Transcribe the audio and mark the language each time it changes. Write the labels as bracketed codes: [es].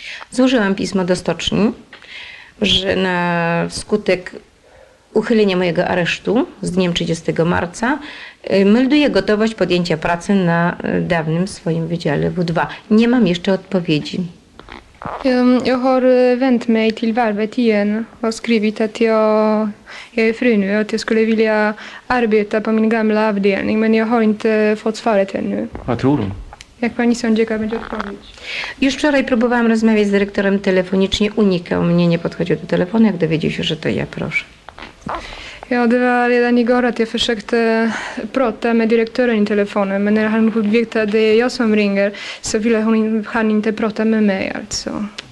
[pl] Złożyłam pismo do stoczni, że na skutek uchylenia mojego aresztu z dniem 30 marca melduję gotowość podjęcia pracy na dawnym swoim wydziale W2. Nie mam jeszcze odpowiedzi. [sv] Jag har vänt mig till varvet igen och skrivit att jag är fri nu och att jag skulle vilja arbeta på min gamla avdelning, men jag har inte fått svaret ännu. Vad tror du? [pl] Jak pani sądzi, jaka będzie odpowiedź? Już wczoraj próbowałam rozmawiać z dyrektorem telefonicznie, unikał mnie, nie podchodził do telefonu, jak dowiedział się, że to ja proszę. [sv] Ja det var redan igår att jag försökte prata med direktören i telefonen, men när han vet att det är jag som ringer så ville han inte prata med mig alltså.